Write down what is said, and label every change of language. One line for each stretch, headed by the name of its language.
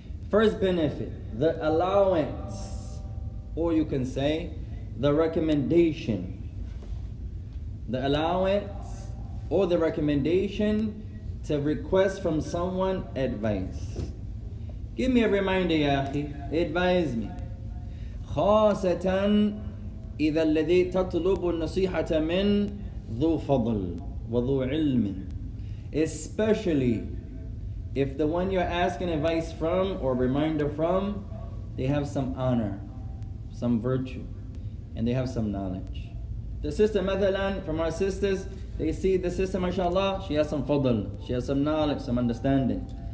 English: First benefit, the allowance, or you can say, the recommendation. The allowance or the recommendation to request from someone advice. Give me a reminder,
Arabic: ya akhi,
English: advise me.
Arabic: خاصةً إذا الذي تطلب النصيحة من ذو فضل وذو علم.
English: Especially if the one you're asking advice from or reminder from, they have some honor, some virtue, and they have some knowledge. The sister,
Arabic: مثلاً,
English: from our sisters, they see the sister, mashallah, she has some fadl, she has some knowledge, some understanding.